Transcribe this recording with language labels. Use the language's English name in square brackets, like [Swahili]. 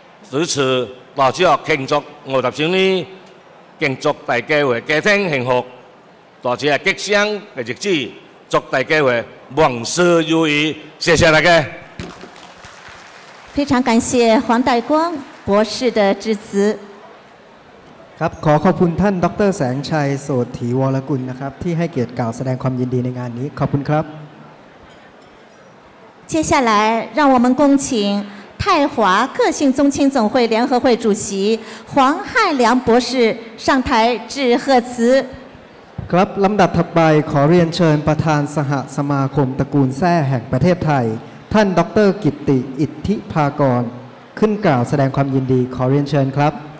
[Chinese] 如此，多谢敬祝50周年，敬祝大家会家庭幸福，多谢吉祥的日子，祝大家会往事如意，谢谢大家。非常感谢黄岱光博士的致辞。 [Thai] ครับขอขอบคุณท่านดร. แสงชัยโสถีวรกุลนะครับที่ให้เกียรติกล่าวแสดงความยินดีในงานนี้ขอบคุณครับ [Chinese] 接下来让我们恭请泰华个性宗亲总会联合会主席黄汉良博士上台致贺词 [Thai] ครับลำดับถัดไปขอเรียนเชิญประธานสหสมาคมตระกูลแซ่แห่งประเทศไทยท่านดร. กิตติอิทธิภากรขึ้นกล่าวแสดงความยินดีขอเรียนเชิญครับ